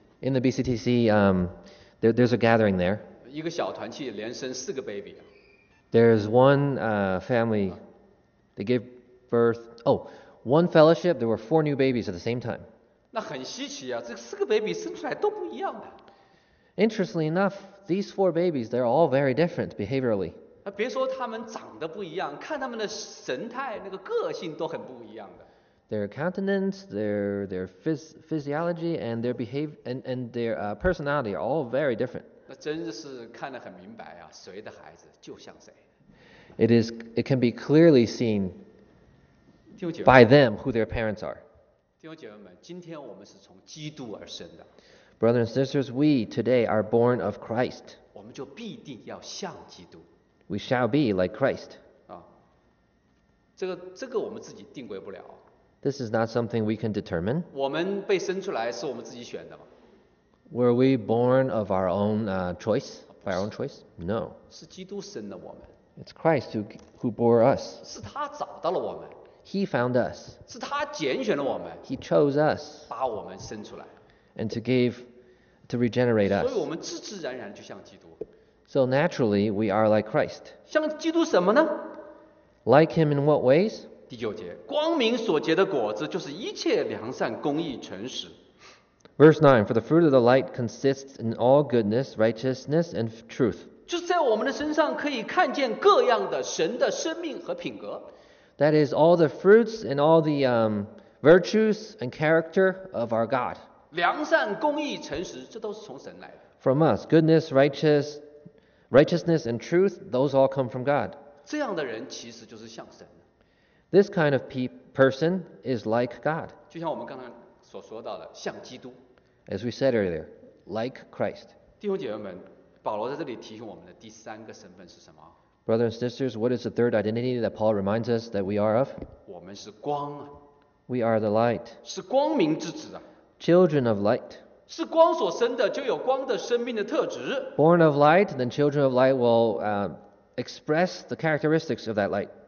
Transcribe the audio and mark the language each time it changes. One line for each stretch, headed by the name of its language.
English: In the BCTC, there's a gathering there.
Chinese: 一个小团契连生四个 baby.
English: There's one family, they gave birth, one fellowship, there were four new babies at the same time.
Chinese: 那很稀奇啊，这四个 baby 生出来都不一样的。
English: Interestingly enough, these four babies, they're all very different behaviorally.
Chinese: 别说他们长得不一样，看他们的神态，那个个性都很不一样的。
English: Their countenance, their physiology, and their behavior, and their personality are all very different.
Chinese: 那真的是看得很明白啊，谁的孩子就像谁。
English: It can be clearly seen by them who their parents are.
Chinese: 弟兄姐妹们，今天我们是从基督而生的。
English: Brothers and sisters, we today are born of Christ.
Chinese: 我们就必定要像基督。
English: We shall be like Christ.
Chinese: 这个我们自己定规不了。
English: This is not something we can determine.
Chinese: 我们被生出来是我们自己选的吗？
English: Were we born of our own choice? By our own choice? No.
Chinese: 是基督生的我们。
English: It's Christ who bore us.
Chinese: 是他找到了我们。
English: He found us.
Chinese: 是他拣选了我们。
English: He chose us.
Chinese: 把我们生出来。
English: And to regenerate us.
Chinese: 所以我们自自然然就像基督。
English: So naturally, we are like Christ.
Chinese: 像基督什么呢？
English: Like him in what ways?
Chinese: 第九节，光明所结的果子就是一切良善、公义、诚实。
English: Verse 9, for the fruit of the light consists in all goodness, righteousness, and truth.
Chinese: 就在我们的身上可以看见各样的神的生命和品格。
English: That is all the fruits and all the virtues and character of our God.
Chinese: 良善、公义、诚实，这都是从神来的。
English: From us, goodness, righteousness and truth, those all come from God.
Chinese: 这样的人其实就是像神。
English: This kind of person is like God.
Chinese: 就像我们刚才所说到的，像基督。
English: As we said earlier, like Christ.
Chinese: 弟兄姐妹们，保罗在这里提醒我们的第三个身份是什么？
English: Brothers and sisters, what is the third identity that Paul reminds us that we are of?
Chinese: 我们是光啊。
English: We are the light.
Chinese: 是光明之子啊。
English: Children of light.
Chinese: 是光所生的，就有光的生命的特质。
English: Born of light, then children of light will express the characteristics of that light.